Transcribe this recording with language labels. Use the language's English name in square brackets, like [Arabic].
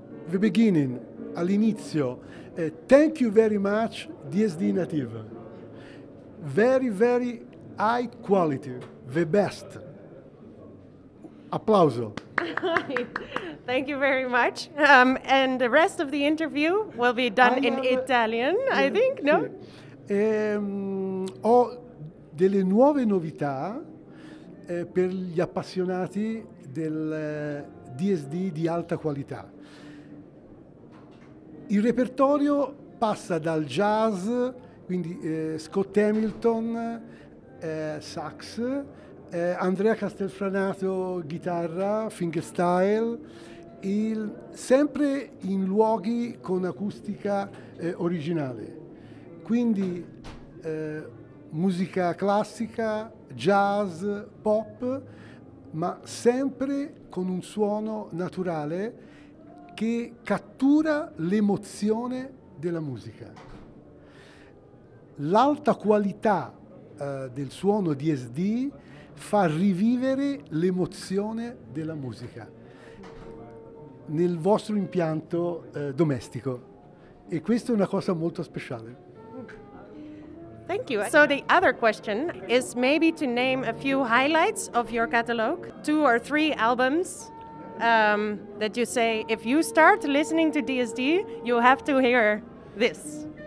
[English] The beginning, [Italian] all'inizio, [English] thank you very much, DSD Native. Very, very high quality, the best. [Italian] Applauso. [English] Thank you very much. And the rest of the interview will be done in Italian, I think, no? [Italian] Sì. Ho delle nuove novità per gli appassionati del DSD di alta qualità. Il repertorio passa dal jazz, quindi Scott Hamilton, sax, Andrea Castelfranato, chitarra, fingerstyle, sempre in luoghi con acustica originale. Quindi musica classica, jazz, pop, ma sempre con un suono naturale che cattura l'emozione della musica. L'alta qualità del suono DSD fa rivivere l'emozione della musica nel vostro impianto domestico. E questa è una cosa molto speciale. [English] Thank you. So the other question is maybe to name a few highlights of your catalog, two or three albums that you say if you start listening to DSD, you have to hear this.